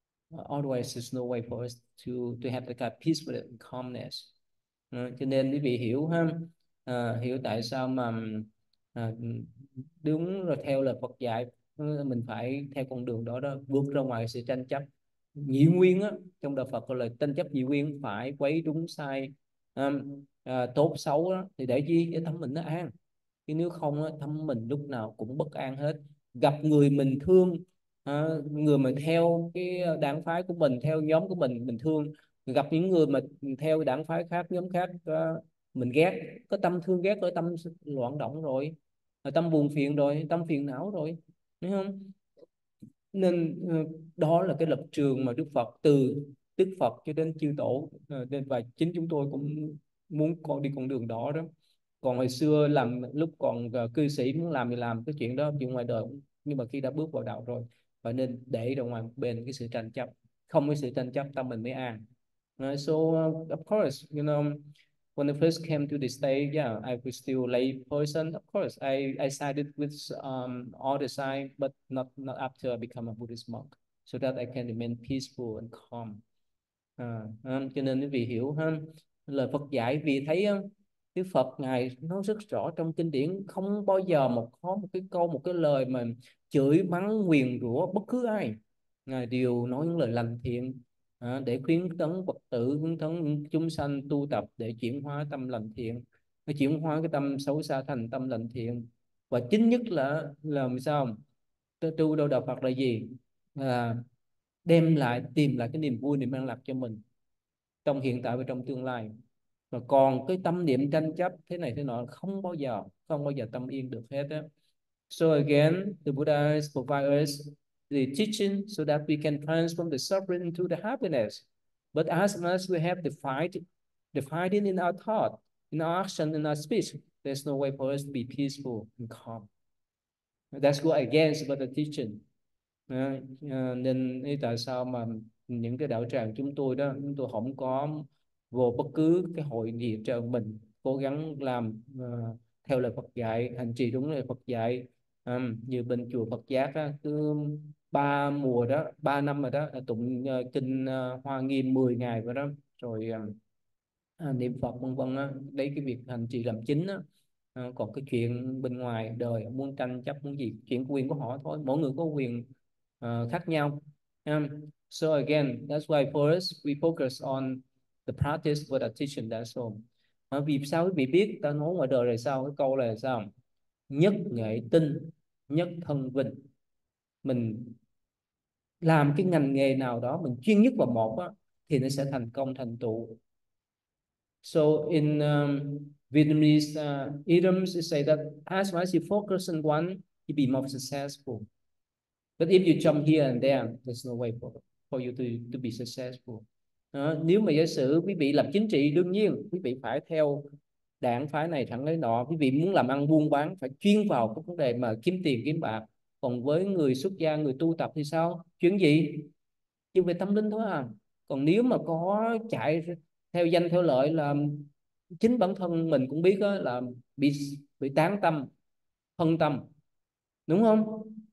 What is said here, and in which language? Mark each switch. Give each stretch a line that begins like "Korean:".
English: Otherwise, there's no way for us to have the kind of peaceful and calmness.
Vietnamese: Cho nên quý vị hiểu ha, hiểu tại sao mà đúng rồi, theo lời Phật dạy, mình phải theo con đường đó đó, bước ra ngoài sự tranh chấp nhị nguyên á, trong đạo Phật gọi là tranh chấp nhị nguyên, phải quấy đúng sai, tốt xấu đó, thì để chi, để tâm mình nó an. Chứ nếu không á, tâm mình lúc nào cũng bất an hết. Gặp người mình thương, người mà theo cái đảng phái của mình, theo nhóm của mình thương. Gặp những người mà theo đảng phái khác, nhóm khác, mình ghét, có tâm thương ghét rồi, tâm loạn động rồi, tâm buồn phiền rồi, tâm phiền não rồi, thấy không? Nên đó là cái lập trường mà Đức Phật, từ Đức Phật cho đến chư tổ, và chính chúng tôi cũng muốn con đi con đường đó đó. Còn hồi xưa làm, lúc còn cư sĩ, muốn làm thì làm cái chuyện đó, chuyện ngoài đời, nhưng mà khi đã bước vào đạo rồi, và nên để ra ngoài một bên cái sự tranh chấp, không có sự tranh chấp tâm mình mới an.
English: So of course, when I first came to the state, I was still lay person. Of course, I sided with all the side, but not after I become a Buddhist monk, so that I can remain peaceful and calm.
Vietnamese: Cho nên quý vị hiểu ha, lời Phật dạy, vì thấy Đức Phật ngài nói rất rõ trong kinh điển, không bao giờ một có một cái câu, một cái lời mà chửi mắng nguyền rủa bất cứ ai, ngài đều nói những lời lành thiện, để khuyến tấn Phật tử, khuyến tấn chúng sanh tu tập để chuyển hóa tâm lành thiện, để chuyển hóa cái tâm xấu xa thành tâm lành thiện. Và chính nhất là làm sao tu đâu đạo Phật là gì, là đem lại, tìm lại cái niềm vui, niềm an lạc cho mình trong hiện tại và trong tương lai. Và còn cái tâm niệm tranh chấp thế này thế nọ không bao giờ tâm yên được hết á.
English: So again, the Buddha provides us the teaching so that we can transform the suffering to the happiness. But as long as we have the fighting in our thought, in our action, in our speech, there's no way for us to be peaceful and calm. That's go against what the teaching.
Vietnamese: Nên tại sao mà những cái đạo tràng chúng tôi đó, chúng tôi không có vô bất cứ cái hội nghị trợ mình cố gắng làm theo lời Phật dạy, hành trì đúng lời Phật dạy. Như bên chùa Phật Giác á, cứ 3 mùa đó, 3 năm rồi đó, tụng kinh Hoa Nghiêm 10 ngày rồi đó, rồi niệm Phật vân vân á, lấy cái việc hành trì làm chính á. Còn cái chuyện bên ngoài đời muốn tranh chấp muốn gì, chuyện quyền của họ thôi, mỗi người có quyền khác nhau.
English: So again, that's why for us, we focus on the practice what the teaching, that's all.
Vietnamese: Vì sao bị biết ta nói ngoài đời là sao, cái câu là sao? Nhất nghệ tinh, nhất thân vinh. Mình làm cái ngành nghề nào đó, mình chuyên nhất vào một á, thì nó sẽ thành công, thành tựu.
English: So in Vietnamese idioms, they say that as long as you focus on one, you'll be more successful. But if you jump here and there, there's no way for you to be successful.
Vietnamese: Nếu mà giả sử quý vị làm chính trị, đương nhiên quý vị phải theo đảng phái này thẳng lấy nọ, quý vị muốn làm ăn buôn bán phải chuyên vào cái vấn đề mà kiếm tiền kiếm bạc. Còn với người xuất gia, người tu tập thì sao, chuyện gì chuyên về tâm linh thôi à. Còn nếu mà có chạy theo danh theo lợi, là chính bản thân mình cũng biết đó, là bị tán tâm phân tâm đúng không.